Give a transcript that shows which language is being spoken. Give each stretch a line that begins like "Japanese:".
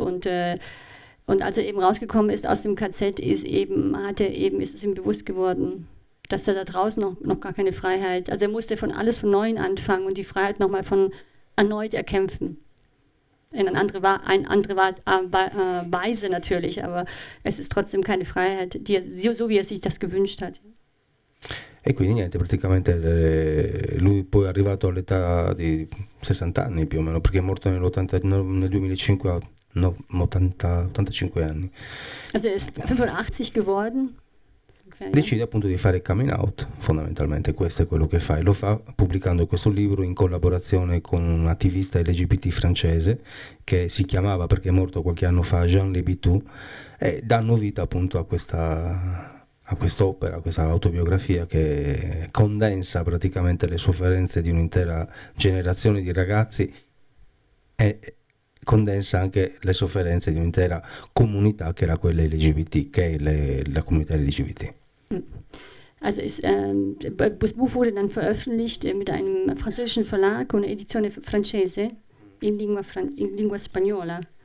German: Und als er eben rausgekommen ist aus dem KZ, ist es ihm bewusst geworden, dass er da draußen noch gar keine Freiheit. Also er musste von alles von Neuem anfangen und die Freiheit nochmal von erneut erkämpfen. In andere Weise natürlich, aber es ist trotzdem keine Freiheit, so wie er sich das gewünscht hat.
Italian: E quindi niente, praticamente lui poi è arrivato all'età di 60 anni più o meno, perché è morto nel 2005, no, 85 anni.
German: Also er ist 85 geworden.
Italian: Decide appunto di fare coming out, fondamentalmente questo è quello che fa, e lo fa pubblicando questo libro in collaborazione con un attivista LGBT francese che si chiamava, perché è morto qualche anno fa, Jean Lebitu, e danno vita appunto a quest'opera, a questa autobiografia che condensa praticamente le sofferenze di un'intera generazione di ragazzi e condensa anche le sofferenze di un'intera comunità che era quella LGBT, che è la comunità LGBT.
German: Also, das Buch wurde dann veröffentlicht mit einem französischen Verlag und
Italian: Edizione francese in lingua spagnola.